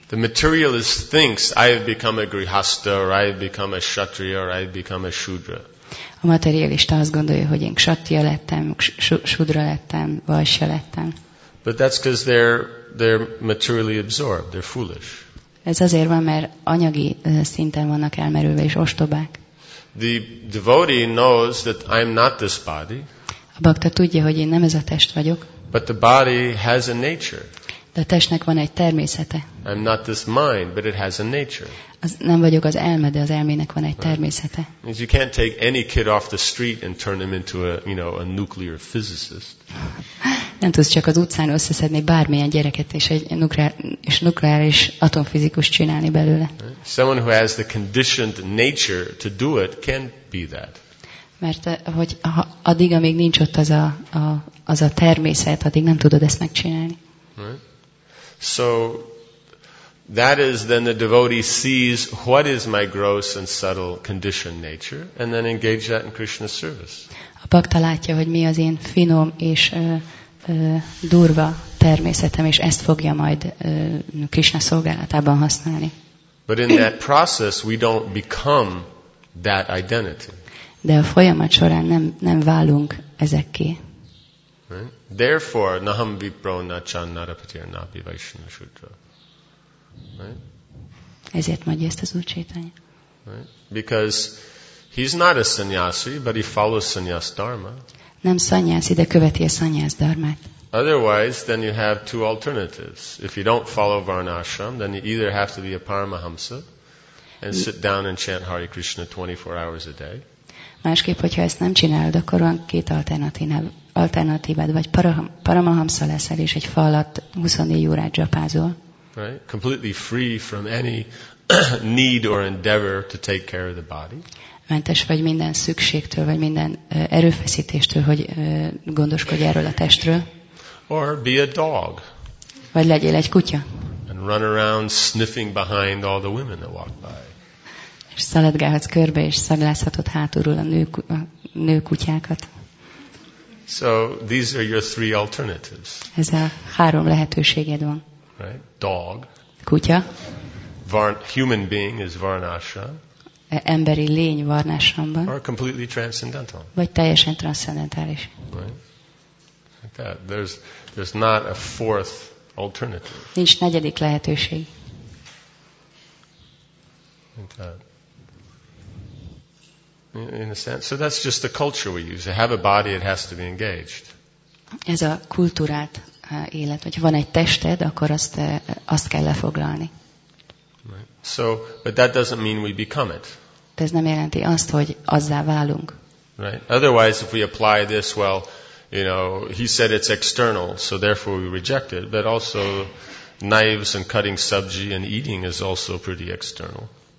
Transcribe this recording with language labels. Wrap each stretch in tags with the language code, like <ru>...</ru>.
<en>The materialist thinks I've become a grihastha, or I've become a kshatriya, or I've become a shudra.</en> <hu>A materialista azt gondolja, hogy én kshatriya lettem, shudra lettem, vajsya lettem.</hu> <en>But that's because they're materially absorbed. They're foolish.</en> <hu>Ez azért van, mert anyagi szinten vannak elmerülve és ostobák.</hu> <en>The devotee knows that I'm not this body.</en> <hu>A bhakta tudja, hogy én nem ez a test vagyok.</hu> <en>But the body has a nature.</en> <hu>De a testnek van egy természete.</hu> <en>I'm not this mind, but it has a nature.</en> <hu>Az nem vagyok az elme, de az elmének van egy természete.</hu> <en>You can't take any kid off the street and turn him into a, you know, a nuclear physicist.</en> <hu>Nem tudsz csak az utcán összeszedni bármilyen gyereket és egy nukleáris atomfizikus csinálni belőle.</hu> <en>Someone who has the conditioned nature to do it can't be that.</en> <hu>Mert hogy addig, amíg nincs ott az a természet, addig nem tudod ezt megcsinálni.</hu> <en>So that is then the devotee sees what is my gross and subtle conditioned nature, and then engage that in Krishna's service.</en> <hu>A bhakta látja, hogy mi az én finom és durva természetem, és ezt fogja majd Krishna szolgálatában használni.</hu> <en>But in that process we don't become that identity.</en> <hu>De a folyamat során nem válunk ezekké.</hu> <en>Right? Therefore,</en> <sa>naham vipro na chan narapatir napi vaishnava shudra.</sa> <hu>Ezért mondja ezt az Úr Csétanya.</hu> <en>Because he's not a sannyasi, but he follows sannyas dharma.</en> <hu>Nem sannyasi, de követi a sannyas dharmát.</hu> <en>Otherwise, then you have two alternatives. If you don't follow Varnashram, then you either have to be a paramahamsa and sit down and chant Hare Krishna 24 hours a day.</en> <hu>Másképp, hogyha ezt nem csinálod, akkor van két alternatívád, vagy paramahamsa leszel, és egy falat 24 órát japázol.</hu> <en>Right? Completely free from any need or endeavor to take care of the body.</en> <hu>Mentes vagy minden szükségtől, vagy minden erőfeszítéstől, hogy gondoskodj erről a testről.</hu> <en>Or be a dog.</en> <hu>Vagy legyél egy kutya.</hu> <en>And run around sniffing behind all the women that walk by.</en> <hu>És szaladgálhatsz körbe, és szaglászhatod hátulról a nő kutyákat.</hu> <en>So these are your three alternatives.</en> <hu>Ez a három lehetőséged van.</hu> <en>Right? Dog.</en> <hu>Kutya.</hu> <en>Human being is Varnashram.</en> <hu>Emberi lény Varnashramban.</hu> <en>Or completely transcendental.</en> <hu>Vagy teljesen transzcendentális.</hu> <en>Right? Like that. There's not a fourth alternative.</en> <hu>Nincs negyedik lehetőség.</hu> <en>Like that. in a sense. So that's just the culture we use. To have a body, it has to be engaged.</en> <hu>Ez a kulturált élet, hogy van egy tested, akkor azt kell lefoglalni.</hu> <en>Right. So, but that doesn't mean we become it.</en> <hu>De ez nem jelenti azt, hogy azzá válunk.</hu> <en>Right. Otherwise, if we apply this, well, you know, he said it's external, so therefore we reject it. But also, knives and cutting sabji and eating is also pretty external.</en>